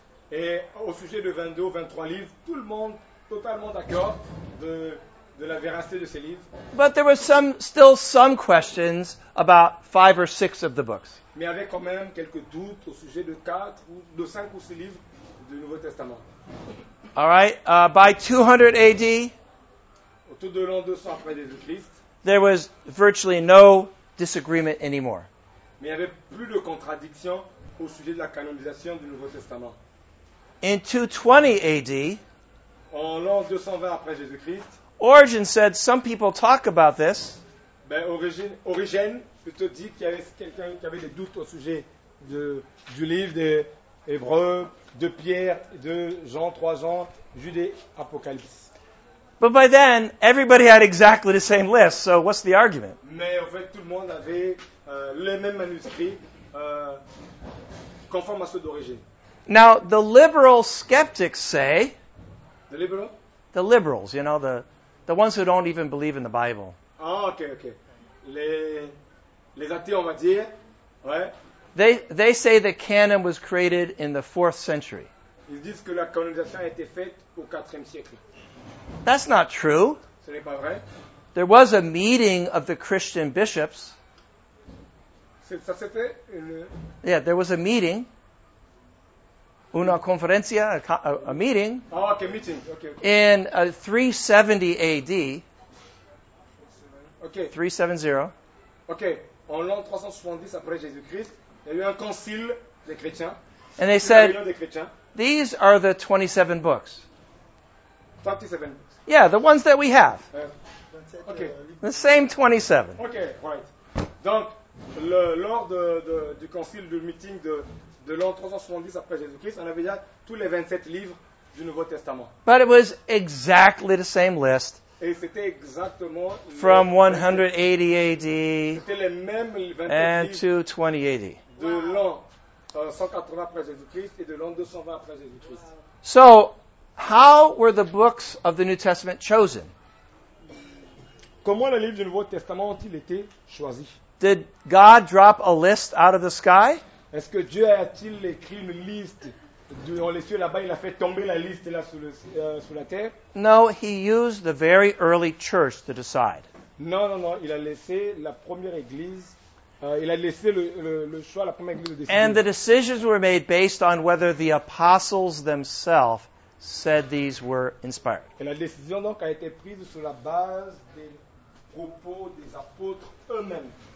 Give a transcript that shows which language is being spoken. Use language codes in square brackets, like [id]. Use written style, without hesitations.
[fr] Et au sujet de 22 ou 23 livres, tout le monde totalement d'accord de la véracité de ces livres. [en] But there were still some questions about 5 or 6 of the books. [fr] Mais il y avait quand même quelques doutes au sujet de 4 ou de 5 ou 6 livres du Nouveau Testament. [en] All right, by 200 AD, [fr] autour de l'an 200 après Jésus-Christ, [en] there was virtually no disagreement anymore. [fr] Mais il y avait plus de contradictions au sujet de la canonisation du Nouveau Testament. [en] In 220 AD, [fr] en l'an 220 après Jésus-Christ, [en] Origen said some people talk about this. [fr] Ben Origen plutôt dit qu'il y avait quelqu'un qui avait des doutes au sujet du livre des Hébreux, de Pierre, de Jean, 3 Jean, Jude, Apocalypse. [en] But by then, everybody had exactly the same list. So what's the argument? [fr] Mais en fait, tout le monde avait les mêmes manuscrits conformes à ceux d'Origen. [en] Now the liberal skeptics say. The liberals? The liberals, you know, the ones who don't even believe in the Bible. [fr] Ah, okay. Les athées, on va dire, ouais. [en] They say the canon was created in the 4th century. [fr] Ils disent que la canonisation a été faite au 4e siècle. [en] That's not true. [fr] Ce n'est pas vrai. [en] There was a meeting of the Christian bishops. [fr] Ça c'était une... [en] Yeah, there was a meeting. [es] Una conferencia, [en] a meeting. Oh, okay, meeting. Okay. In 370 AD. Okay. 370. [fr] Okay. En l'an 370 après Jésus-Christ, il y a eu un concile des chrétiens. [en] And they said, these are the 27 books. 27 books? Yeah, the ones that we have. Okay. The same 27. Okay, right. [fr] Donc, lors du concile du meeting de l'an 370 après Jésus-Christ, on avait déjà tous les 27 livres du Nouveau Testament. [en] But it was exactly the same list. [fr] Et c'était exactement [en] from 180 AD [fr] c'était les mêmes 27 [en] and to 20 AD. [fr] De l'an 180 après Jésus-Christ et de l'an 220 après Jésus-Christ. [en] So, how were the books of the New Testament chosen? [fr] Comment les livres du Nouveau Testament ont-ils été choisis? [en] Did God drop a list out of the sky? [fr] Est-ce que Dieu a-t-il écrit une liste dans les cieux là-bas, il a fait tomber la liste là sous la terre? [en] No, he used the very early church to decide. [fr] Non, il a laissé la première église, il a laissé le choix à la première église de décider. [en] And the decisions were made based on whether the apostles themselves said these were inspired. [fr] Et la décision donc a été prise sur la base des propos des apôtres eux-mêmes.